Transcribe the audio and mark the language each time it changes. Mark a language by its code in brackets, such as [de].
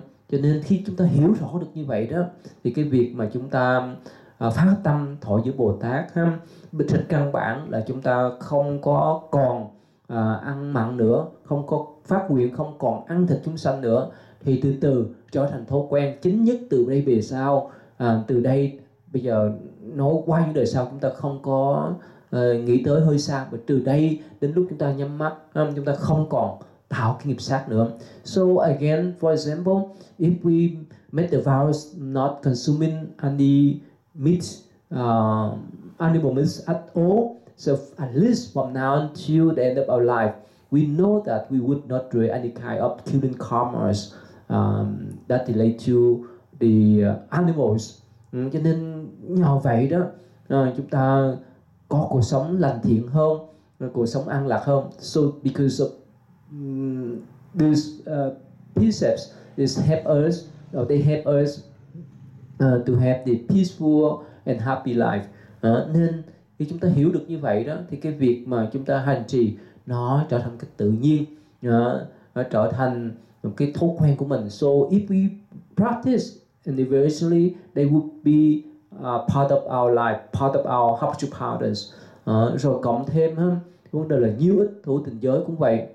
[vi] Cho nên khi chúng ta hiểu rõ được như vậy đó, thì cái việc mà chúng ta phát tâm thọ giữ Bồ Tát, trên căn bản là chúng ta không có còn ăn mặn nữa, không có phát nguyện, không còn ăn thịt chúng sanh nữa, thì từ từ trở thành thói quen. Chính nhất từ đây về sau, từ đây bây giờ nói qua những đời sau, chúng ta không có nghĩ tới hơi xa, mà từ đây đến lúc chúng ta nhắm mắt, chúng ta không còn tạo cái nghiệp sát nữa. [en] So again, for example, if we make the vows not consuming any meat, animal meat at all, so at least from now until the end of our life, we know that we would not do any kind of killing karmas that relate to the animals. [vi] Cho nên nhờ vậy đó, chúng ta có cuộc sống lành thiện hơn, cuộc sống an lạc hơn. [en] So because of these precepts, is help us, or they help us to have the peaceful and happy life. [vi] Nên khi chúng ta hiểu được như vậy đó, thì cái việc mà chúng ta hành trì nó trở thành cái tự nhiên, nó trở thành một cái thói quen của mình. [en] So if we practice individually, they would be part of our life, part of our habitual patterns. [vi] Rồi cộng thêm vấn đề là nhiều ít thủ tình giới cũng vậy.